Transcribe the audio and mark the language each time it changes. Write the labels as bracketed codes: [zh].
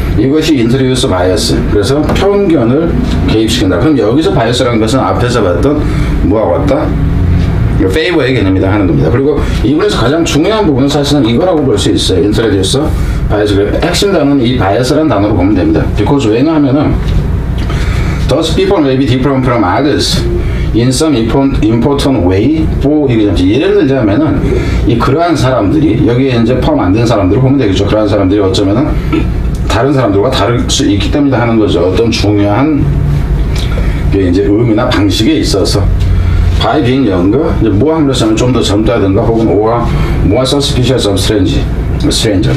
[ko] 이것이 인트로듀스 바이어스. 그래서 편견을 개입시킨다. 그럼 여기서 바이어스라는 것은 앞에서 봤던 뭐하고 왔다? 페이버의 개념이다 하는 겁니다. 그리고 이 부분에서 가장 중요한 부분은 사실은 이거라고 볼 수 있어요. 인트로듀스 바이어스. 핵심 단어는 이 바이어스라는 단어로 보면 됩니다. [en] Because [ko] 왜냐하면은 [en] Those people may be different from others in some important way. [ko] 예를 들자면은 이 그러한 사람들이 여기에 이제 포함 안 된 사람들을 보면 되겠죠. 그러한 사람들이 어쩌면은 다른 사람들과 다를 수 있기 때문이다 하는 거죠. 어떤 중요한 게 이제 의미나 방식에 있어서 [en] by being younger [ko] 이제 뭐함으로써 하면 좀 더 젊다든가 혹은 [en] or more suspicious of stranger.